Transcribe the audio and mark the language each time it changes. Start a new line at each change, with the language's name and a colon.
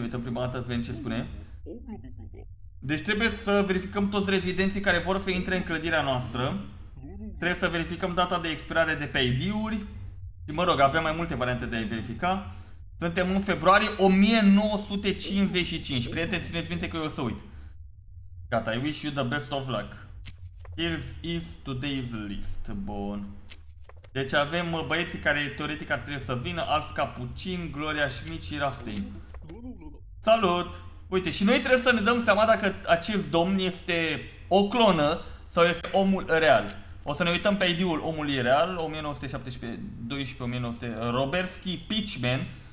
Romanian: Uităm prima dată să vedem ce spune. Deci trebuie să verificăm toți rezidenții care vor să intre în clădirea noastră. Trebuie să verificăm data de expirare de pe ID-uri. Și mă rog, avem mai multe variante de a verifica. Suntem în februarie 1955. Prieteni, țineți minte că eu o să uit. Gata,
English: I wish you the best of luck. Here is today's list.
Romanian: Bun. Deci avem băieții care teoretic ar trebui să vină. Alf Capucin, Gloria Schmidt și Raftein. Salut! Uite, și noi trebuie să ne dăm seama dacă acest domn este o clonă sau este omul real. O să ne uităm pe ID-ul omului real, 1912-1900, Roberski Pitchman.